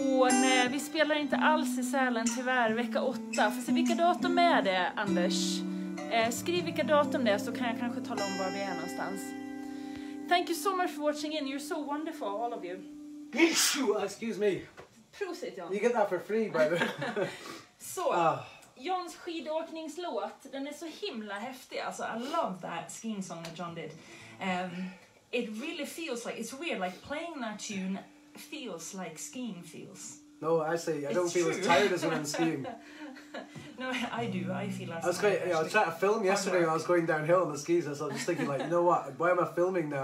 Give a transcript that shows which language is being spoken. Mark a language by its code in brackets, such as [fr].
[sv] Nej, vi spelar inte alls i Sälen tyvärr, vecka 8. Får se vilka datum är det, Anders? Skriv vilka datum det är så kan jag kanske tala om var vi är någonstans. [en] Thank you so much for watching in, you're so wonderful, all of you. Excuse me. [sv] Prosit, Jan. [en] You get that for free, brother. [sv] Så. Jons skidåkningslåt, den är så himla häftig. [en] Alltså, I love that skiing song that John did. It really feels like, it's weird, like playing that tune feels like skiing feels. No, actually, I don't feel as tired as when I'm skiing. No, I do, I feel as I was quite, yeah, I was trying to film yesterday when I was going downhill on the skis. So I was just thinking like, you know what, why am I filming now?